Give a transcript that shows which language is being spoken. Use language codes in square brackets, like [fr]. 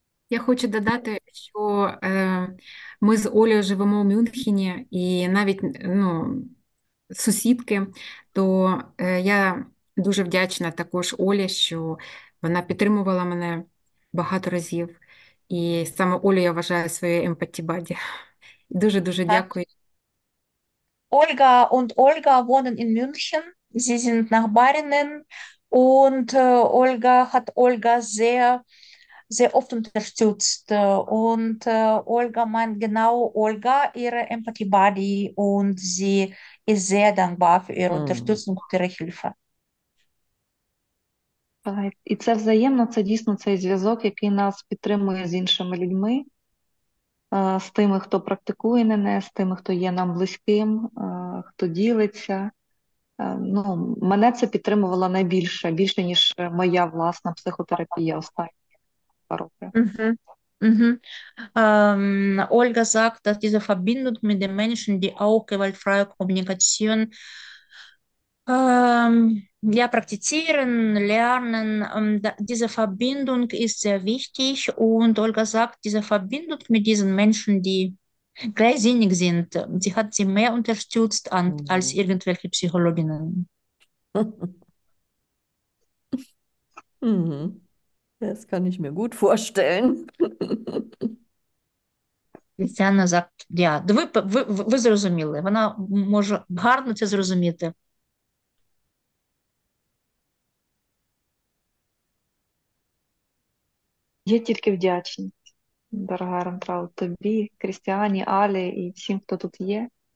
[uk] Я хочу додати, що ми з Олею живемо в Мюнхені, і навіть ну, сусідки, то я дуже вдячна також Олі, що вона підтримувала мене багато разів. І саме Олю я вважаю своєю empathy buddy. Дуже-дуже Так. дякую. [de] Olga und Olga wohnen in München. Sie sind Nachbarinnen und Olga hat Olga sehr, sehr oft unterstützt. Und Olga meint genau Olga, ihre Empathy Buddy, und sie ist sehr dankbar für ihre Unterstützung und ihre Hilfe. [uk] І це взаємно, це дійсно цей зв'язок, який нас підтримує з іншими людьми, з тими, хто практикує мене, з тими, хто є нам близьким, хто ділиться. Ну, мене це підтримувало найбільше, більше, ніж моя власна психотерапія останні 2 роки. [de] Olga sagt, dass diese Verbindung mit den Menschen, die auch gewaltfreie Kommunikation ja, praktizieren, lernen, diese Verbindung ist sehr wichtig. Und Olga sagt, diese Verbindung mit diesen Menschen, die gleichsinnig sind, sie hat sie mehr unterstützt als irgendwelche Psychologinnen. Das kann ich mir gut vorstellen. Christiane sagt, ja, [uk] ви зрозуміли. Вона може гарно це зрозуміти. Я тільки вдячна, дорога Ронтрау, тобі, Крістіані, Алі і всім, хто тут є.